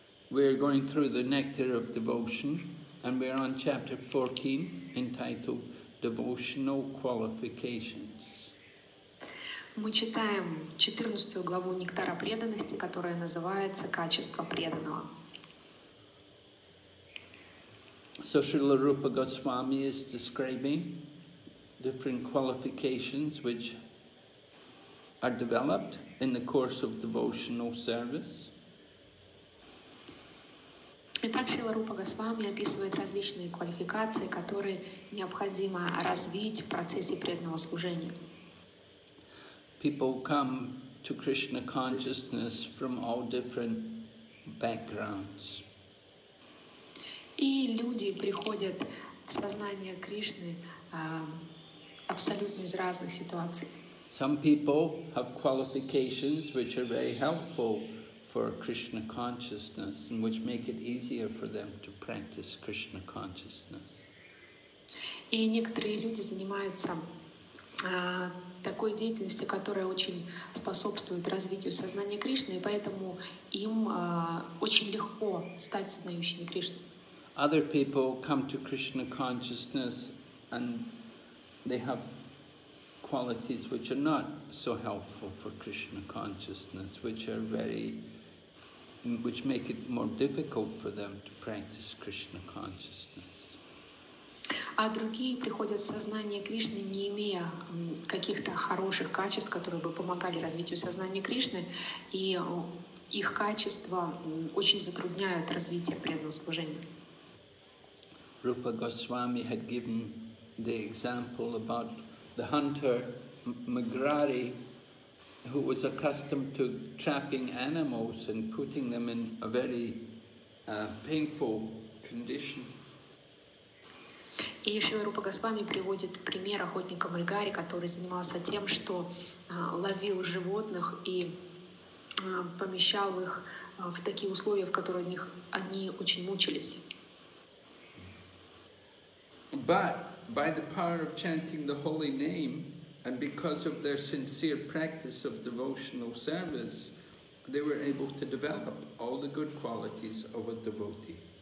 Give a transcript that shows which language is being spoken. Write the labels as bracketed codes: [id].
[en] We are going through the Nectar of Devotion, and we are on chapter 14, entitled Devotional Qualifications. [ru] Мы читаем 14 главу Нектара преданности, которая называется «Качество преданного». [en] So Srila Rupa Goswami is describing different qualifications which are developed in the course of devotional service. [ru] Итак, Шрила Рупа Госвами описывает различные квалификации, которые необходимо развить в процессе преданного служения. [en] People come to Krishna consciousness from all different backgrounds. [ru] И люди приходят в сознание Кришны абсолютно из разных ситуаций. [en] Some people have qualifications which are very helpful for Krishna consciousness and which make it easier for them to practice Krishna consciousness. [ru] И некоторые люди занимаются такой деятельностью, которая очень способствует развитию сознания Кришны, и поэтому им очень легко стать знающими Кришну. [en] Other people come to Krishna consciousness and they have qualities which are not so helpful for Krishna consciousness, which make it more difficult for them to practice Krishna consciousness. [ru] А другие приходят в сознание Кришны, не имея каких-то хороших качеств, которые бы помогали развитию сознания Кришны, и их качества очень затрудняют развитие преданного служения. [en] Rupa Goswami had given the example about the hunter Magrari, who was accustomed to trapping animals and putting them in a very painful condition. [ru] И Шрила Рупа Госвами приводит пример охотника Маграри, который занимался тем, что ловил животных и помещал их в такие условия, в которых они очень мучились. [en] But by the power of chanting the holy name, and because of their sincere practice of devotional service, they were able to develop all the good qualities of a devotee.